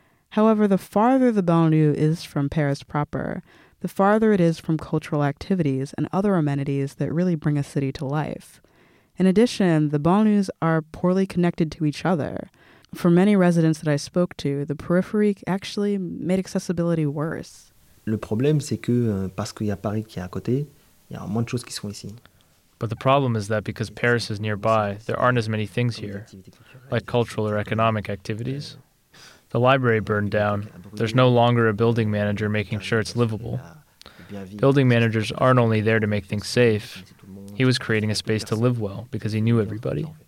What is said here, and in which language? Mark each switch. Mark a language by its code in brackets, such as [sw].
[en] However, the farther the banlieue is from Paris proper, the farther it is from cultural activities and other amenities that really bring a city to life. In addition, the banlieues are poorly connected to each other. For many residents that I spoke to, the Périphérique actually made accessibility worse. [fr] Le problème, c'est que parce qu'il y a Paris qui est à côté, il y a moins de choses qui sont ici. [en] But the problem is that because Paris is nearby, there aren't as many things here, like cultural or economic activities. The library burned down. There's no longer a building manager making sure it's livable. Building managers aren't only there to make things safe. He was creating a space to live well because he knew everybody.